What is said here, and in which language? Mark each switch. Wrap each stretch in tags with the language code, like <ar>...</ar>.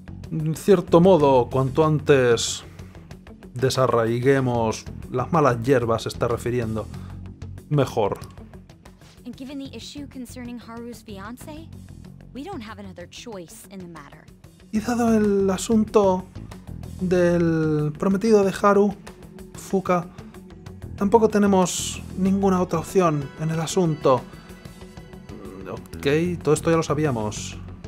<es>En cierto modo, cuanto antes desarraiguemos las malas hierbas, se está refiriendo, mejor.</es> <en>And given the issue concerning Haru's fiance, we don't have another choice in the matter.</en> <es>Y dado el asunto del prometido de Haru, Fuka, tampoco tenemos ninguna otra opción en el asunto. Ok, todo esto ya lo sabíamos.</es>